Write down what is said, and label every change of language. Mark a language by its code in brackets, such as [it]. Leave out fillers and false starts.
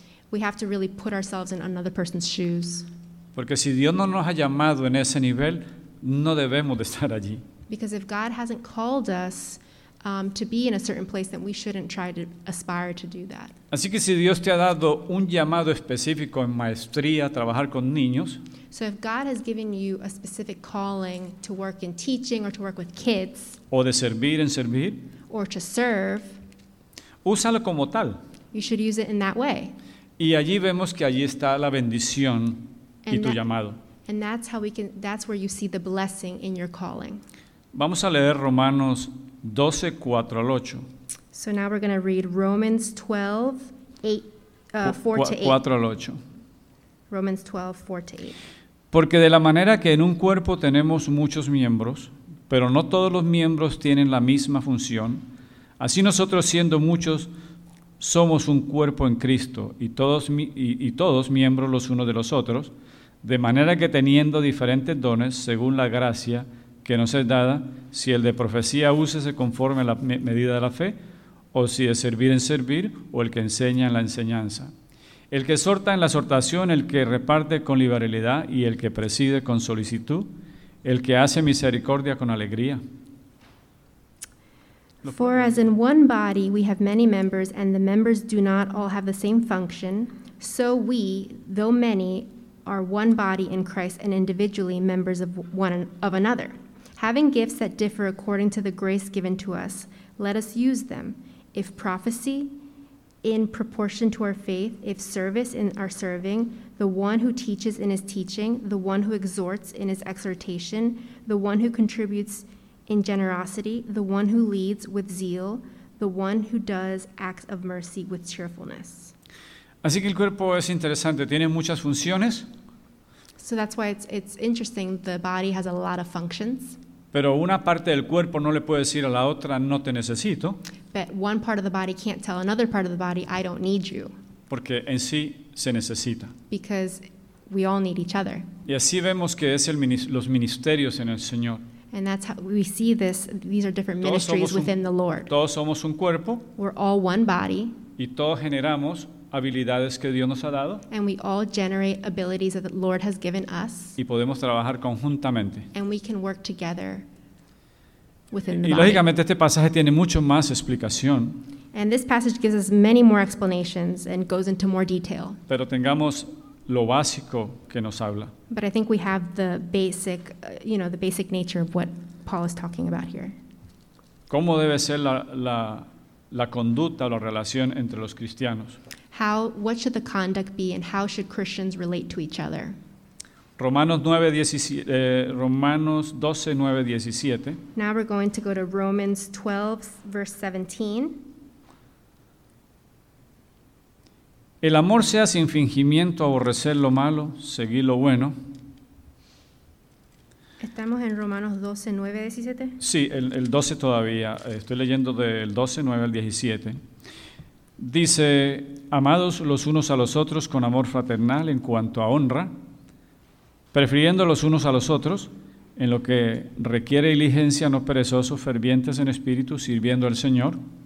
[en] We have to really put ourselves in another person's shoes. [es] Porque si Dios no nos ha llamado en ese nivel, no debemos de estar allí. [en] Because if God hasn't called us to be in a certain place, then we shouldn't try to aspire to do that. [es] Así que si Dios te ha dado un llamado específico en maestría, trabajar con niños. [en] So if God has given you a specific calling to work in teaching or to work with kids. [es] O de servir en servir. [en] Or to serve. [es] Úsalo como tal. [en] You should use it in that way. [es] Y allí vemos que allí está la bendición y tu llamado. [en] And that's how that's where you see the blessing in your calling. [es] Vamos a leer Romanos 12, 4 al 8. [en] So now we're going to read Romans 12, 4 to 8. [es] 4 al 8. [en] Romans 12, 4 to 8. [es] Porque de la manera que en un cuerpo tenemos muchos miembros, pero no todos los miembros tienen la misma función, así nosotros siendo muchos, somos un cuerpo en Cristo y todos miembros los unos de los otros, de manera que teniendo diferentes dones según la gracia que nos es dada, si el de profecía úsese conforme a la medida de la fe, o si de servir en servir, o el que enseña en la enseñanza. El que exhorta en la exhortación, el que reparte con liberalidad y el que preside con solicitud, el que hace misericordia con alegría. [en] For as in one body we have many members, and the members do not all have the same function, so we, though many, are one body in Christ and individually members of one of another. Having gifts that differ according to the grace given to us, let us use them. If prophecy, in proportion to our faith, if service, in our serving, the one who teaches in his teaching, the one who exhorts in his exhortation, the one who contributes in generosity, the one who leads with zeal, the one who does acts of mercy with cheerfulness. [es] Así que el cuerpo es interesante, tiene muchas funciones. [en] So that's why it's interesting, the body has a lot of functions. [es] Pero una parte del cuerpo no le puede decir a la otra, no te necesito. [en] But one part of the body can't tell another part of the body, I don't need you. [es] Porque en sí se necesita. [en] Because we all need each other. [es] Y así vemos que es los ministerios en el Señor. [en] And that's how we see this, these are different ministries within the Lord. [es] Todos somos un cuerpo. [en] We're all one body. [es] Y todos generamos habilidades que Dios nos ha dado. [en] And we all generate abilities that the Lord has given us. [es] Y podemos trabajar conjuntamente. [en] And we can work together within the body. [es] Y lógicamente este pasaje tiene mucho más explicación. [en] And this passage gives us many more explanations and goes into more detail. [es] Pero tengamos lo básico que nos habla. [en] But I think we have the basic, you know, the basic nature of what Paul is talking about here. [es] ¿Cómo debe ser la conducta o la relación entre los cristianos? [en] What should the conduct be and how should Christians relate to each other? [es] Romanos 12, 9, 17. [en] Now we're going to go to Romans 12, verse 17. [es] El amor sea sin fingimiento, aborrecer lo malo, seguir lo bueno. ¿Estamos en Romanos 12, 9, 17? Sí, el 12 todavía. Estoy leyendo del 12, 9 al 17. Dice, amados los unos a los otros con amor fraternal en cuanto a honra, prefiriendo los unos a los otros en lo que requiere diligencia, no perezosos, fervientes en espíritu, sirviendo al Señor.